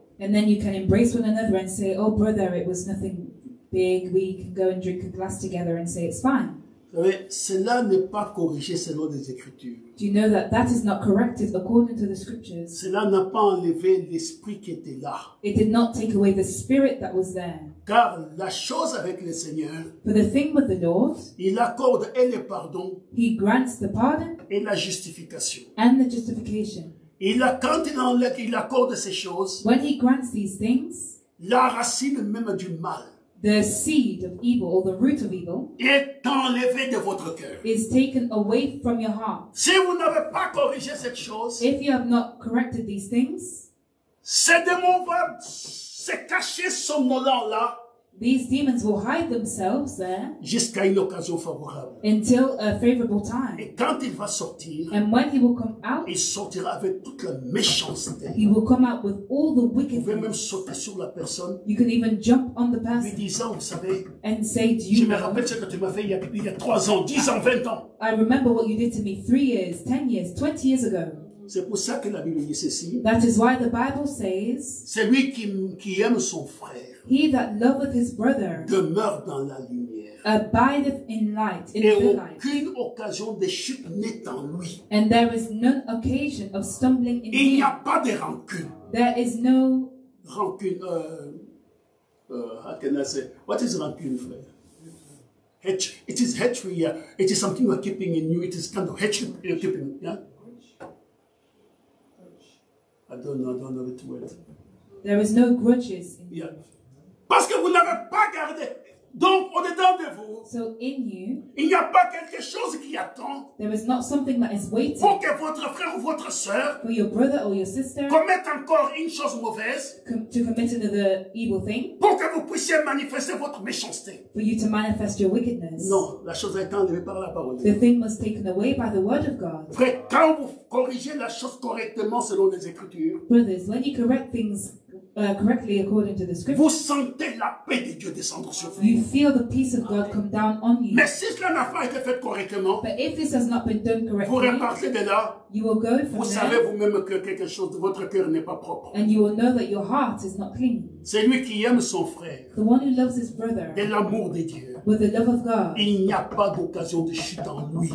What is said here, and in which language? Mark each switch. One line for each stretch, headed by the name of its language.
English: And then you can embrace one another and say, oh brother, it was nothing big, we can go and drink a glass together and say it's fine.
French: Mais cela n'est pas corrigé selon les Écritures.
English: Do you know that that is not corrected according to the scriptures?
French: Cela n'a pas enlevé l'esprit qui était là.
English: It did not take away the spirit that was there.
French: Car la chose avec le Seigneur,
English: for the thing with the Lord,
French: il accorde et le pardon,
English: he grants the pardon,
French: et la justification,
English: and the justification.
French: Il a, quand il enlève, il accorde ces choses,
English: when he grants these things,
French: la racine même du mal,
English: the seed of evil, or the root of evil,
French: est enlevé de votre cœur,
English: is taken away from your heart.
French: Si vous n'avez pas corrigé cette chose,
English: if you have not corrected these things,
French: ces démons vont se cacher somnolent là,
English: these demons will hide themselves there,
French: jusqu'à une occasion favorable,
English: until a favorable time.
French: Et quand il va sortir,
English: and when he will come out,
French: il sortira avec toute la méchanceté,
English: he will come out with all the wickedness.
French: Vous pouvez même sauter sur la personne,
English: you can even jump on the person,
French: lui disant, vous savez,
English: and say, do you
French: je me rappelle ce que tu m'as fait il y a 3 ans, 10 ans, 20 ans.
English: I remember what you did to me 3 years, 10 years, 20 years ago.
French: C'est pour ça que la Bible dit ceci.
English: That is why the Bible says,
French: celui qui aime son frère,
English: he that loveth his brother,
French: demeure dans la lumière,
English: abideth in light, in
French: et
English: the light,
French: aucune occasion de chute n'est en lui.
English: And there is no occasion of stumbling in
French: him. Il n'y a pas de rancune.
English: There is no rancune. How can I say? What is rancune, frère? It is hatred. Yeah. It is something you are keeping in you. It is kind of hatred you are keeping. Yeah? I don't know the word. There is no grudges in you. Yeah.
French: Parce que vous n'avez pas gardé. Donc, au-dedans de vous,
English: so in you,
French: il n'y a pas quelque chose qui attend.
English: There is not something that is waiting.
French: Pour que votre frère ou votre soeur,
English: for your brother or your sister,
French: commette encore une chose mauvaise.
English: To commit another evil thing.
French: Pour que vous puissiez manifester votre méchanceté.
English: For you to manifest your wickedness.
French: Non, la chose a été enlevée par la parole.
English: The thing was taken away by the word of God.
French: Frère, quand vous corrigez la chose correctement selon les Écritures,
English: brothers, when you correct things correctly according to the scripture,
French: vous sentez la paix de Dieu descendre sur vous.
English: You feel the peace of God come down on you.
French: Mais si cela n'a pas été fait correctement,
English: but if this has not been done correctly,
French: vous repartez de là,
English: you will go from
French: vous
English: there,
French: savez vous-même que quelque chose de votre cœur n'est pas propre.
English: And you will know that your heart is not clean.
French: Celui qui aime son frère,
English: the one who loves his brother,
French: de l'amour de Dieu,
English: with the love of God,
French: il n'y a pas d'occasion de chute en lui.